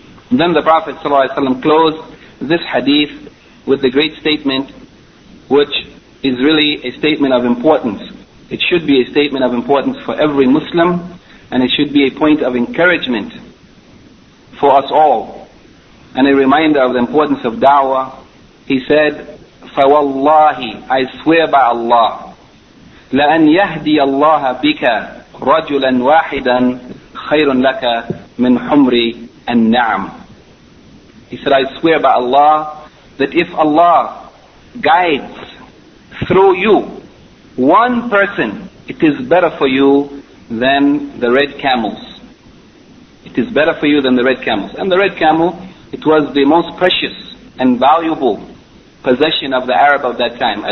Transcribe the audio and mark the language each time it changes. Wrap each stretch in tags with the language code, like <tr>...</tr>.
<en>And then the Prophet sallallahu alaihi wasallam closed this hadith with the great statement, which is really a statement of importance. It should be a statement of importance for every Muslim, and it should be a point of encouragement for us all, and a reminder of the importance of da'wah. He said,</en> <ar>فَوَاللَّهِ</ar> <en>I swear by Allah,</en> <ar>لَأَنْ يَهْدِيَ اللَّهَ بِكَ رَجُلًا وَاحِدًا خَيْرٌ لَكَ مِنْ حُمْرِ النَّعْمِ.</ar> <en>He said, I swear by Allah that if Allah guides through you one person, it is better for you than the red camels. It is better for you than the red camels. And the red camel, it was the most precious and valuable possession of the Arab of that time.</en>